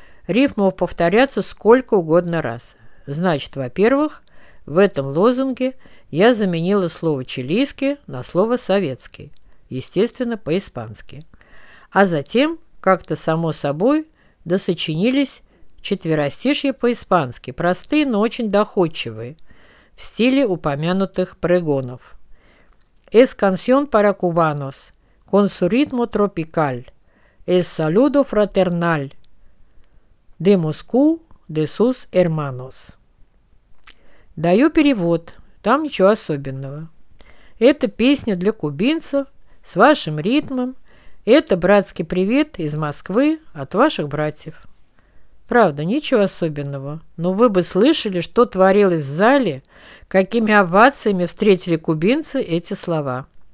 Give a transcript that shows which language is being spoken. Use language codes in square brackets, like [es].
[ru] Рифмов повторяться сколько угодно раз. Значит, во-первых, в этом лозунге я заменила слово «чилийский» на слово «советский», естественно, по-испански. А затем, как-то само собой, досочинились четверостишья по-испански, простые, но очень доходчивые, в стиле упомянутых прегонов. [es] «Es canción para cubanos, con su ritmo tropical, el saludo fraternal». «De Moscú, de sus hermanos». [ru] Даю перевод, там ничего особенного. Это песня для кубинцев с вашим ритмом. Это братский привет из Москвы от ваших братьев. Правда, ничего особенного. Но вы бы слышали, что творилось в зале, какими овациями встретили кубинцы эти слова.